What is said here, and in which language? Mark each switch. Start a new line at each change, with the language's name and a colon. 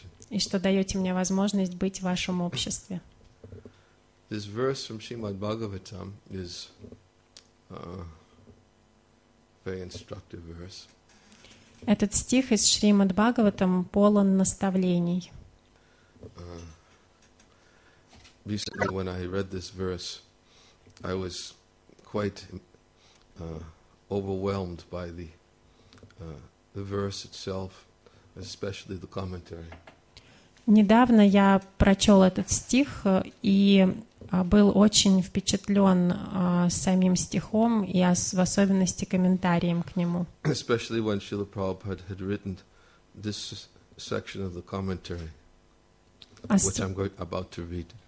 Russian: И что даете мне возможность быть в вашем обществе.
English: This verse from Srimad Bhagavatam is a very instructive verse.
Russian: Этот стих из Шримад Бхагаватам полон наставлений.
English: Recently, when I read this verse, I was quite overwhelmed by the the verse itself, especially the commentary.
Russian: Недавно я прочел этот стих и был очень впечатлен самим стихом и в особенности комментарием к нему.
English: Especially when Srila Prabhupada had written this section of the commentary, which I'm about to read.